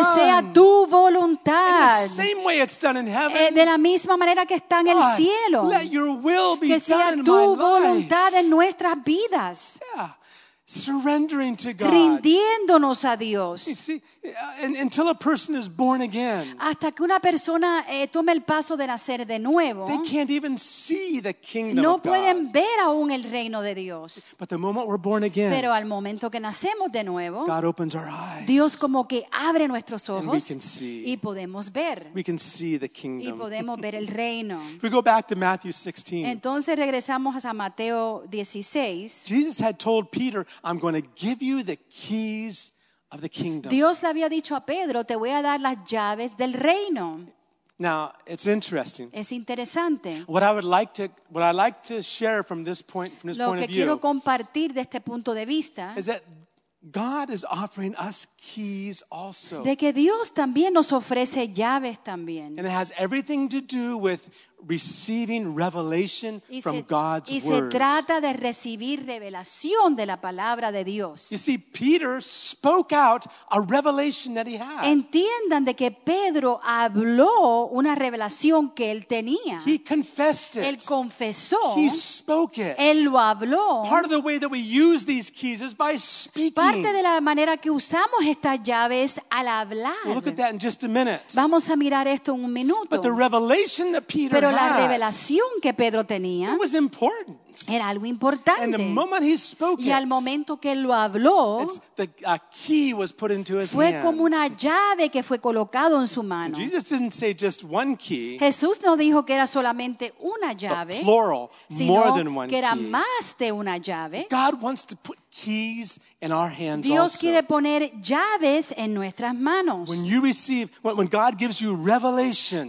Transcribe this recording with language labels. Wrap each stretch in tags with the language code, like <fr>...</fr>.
<es>Que sea tu voluntad.</es> <en>In the same way it's done in heaven.</en> <es>De la misma manera que está en</es> <en>God,</en> <es>el cielo.</es> <en>Let your will be</en> <es>que</es> <en>done</en> <es>sea tu voluntad</es> <en>life.</en> <es>En nuestras vidas.</es> <en>Yeah. Surrendering to God.</en> <es>Rindiéndonos a Dios.</es> <en>You see, until a person is born again.</en> <es>Hasta que una persona tome el paso de nacer de nuevo.</es> <en>They can't even see the kingdom</en> <es>no</es> <en>of God.</en> <es>No pueden ver aún el reino de Dios.</es> <en>But the moment we're born again.</en> <es>Pero al momento que nacemos de nuevo.</es> <en>God opens our eyes.</en> <es>Dios como que abre nuestros ojos.</es> <en>And we can see.</en> <es>Y podemos ver.</es> <en>We can see the kingdom.</en> <es>Y podemos ver el reino.</es> <en>If we go back to Matthew 16.</en> <es>Entonces regresamos a Mateo 16.</es> <en>Jesus had told Peter, I'm going to give you the keys of the kingdom.</en> <es>Dios le había dicho a Pedro, te voy a dar las llaves del reino.</es> <en>Now, it's interesting.</en> <es>Es interesante.</es> <en>What I'd like to share from this point of view.</en> <es>Lo que quiero compartir de este punto de vista.</es> <en>Is that God is offering us keys also.</en> <es>De que Dios también nos ofrece llaves también.</es> <en>And it has everything to do with receiving revelation from God's word.</en> <es>Y se trata de recibir revelación de la palabra de Dios.</es> <en>You see, Peter spoke out a revelation that he had.</en> <es>Entiendan de que Pedro habló una revelación que él tenía.</es> <en>He confessed it.</en> <es>Él confesó.</es> <en>He spoke it.</en> <es>Él lo habló.</es> <en>Part of the way that we use these keys is by speaking.</en> <es>Parte de la manera que usamos estas llaves al hablar.</es> <en>We'll look at that in just a minute.</en> <es>Vamos a mirar esto en un minuto.</es> <en>But the revelation that Peter</en> <es>pero la revelación que Pedro tenía</es> <en>it was important.</en> <es>Era algo importante.</es> <en>And the moment he spoke</en> <es>y al momento que lo habló,</es> <en>a key was put into his</en> <es>fue</es> <en>hand.</en> <es>Como una llave que fue colocado en su mano.</es> <en>Jesus didn't say just one key,</en> <es>Jesús no dijo que era solamente una llave,</es> <en>but plural,</en> <es>sino</es> <en>more than one</en> <es>que era</es> <en>key.</en> <es>Más de una llave.</es> <en>God wants to put keys in our hands</en> <es>Dios</es> <en>also.</en> <es>Quiere poner llaves en nuestras manos.</es> <en>When you receive, when God gives you revelation,</en>